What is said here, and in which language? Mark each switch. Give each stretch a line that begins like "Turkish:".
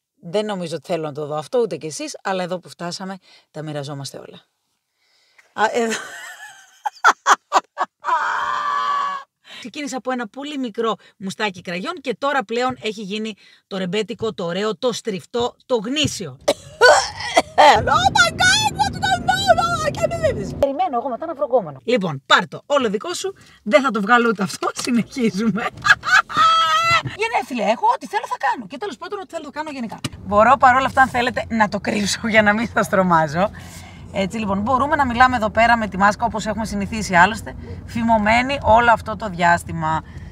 Greek: Δεν νομίζω ότι θέλω να το δω αυτό ούτε κι εσείς, αλλά εδώ που φτάσαμε τα μοιραζόμαστε όλα. Ξεκίνησα από ένα πολύ μικρό μουστάκι κραγιόν και τώρα πλέον έχει γίνει το ρεμπέτικο, το ωραίο, το στριφτό, το γνήσιο.
English: Oh my god, what the fuck, I can't believe this.
Greek: Περιμένω εγώ μετά να βρωγόμενο. Λοιπόν, πάρ' το, όλο δικό σου, δεν θα το βγάλω ούτε αυτό, συνεχίζουμε. Γενέθλια, έχω ό,τι θέλω θα κάνω και τέλος πάντων ό,τι θέλω θα κάνω γενικά. Μπορώ παρόλα αυτά, αν θέλετε, να το κρύψω για να μην σας τρομάζω. Έτσι λοιπόν, μπορούμε να μιλάμε εδώ πέρα με τη μάσκα όπως έχουμε συνηθίσει άλλωστε, φημωμένη όλο αυτό το διάστημα.